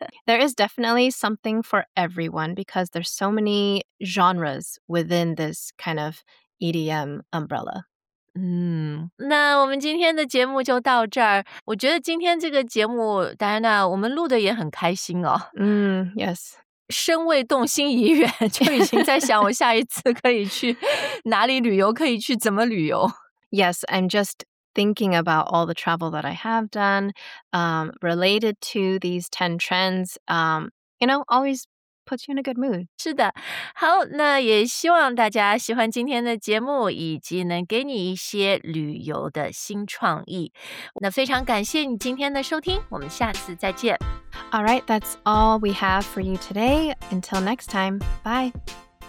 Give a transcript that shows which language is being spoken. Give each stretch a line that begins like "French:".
English: There is definitely something for everyone because there's so many genres within this kind of EDM umbrella.
Chinese: 那我们今天的节目就到这儿。我觉得今天这个节目，戴安娜，我们录的也很开心哦。
English: Yes.
Chinese: 身未动，心已远，就已经在想我下一次可以去哪里旅游，可以去怎么旅游。
English: Yes, I'm just thinking about all the travel that I have done, related to these 10 trends, you know, always... Puts you in a good mood.
Chinese: 是的，好，那也希望大家喜欢今天的节目，以及能给你一些旅游的新创意。那非常感谢你今天的收听，我们下次再见。
English: All right, that's all we have for you today. Until next time, bye.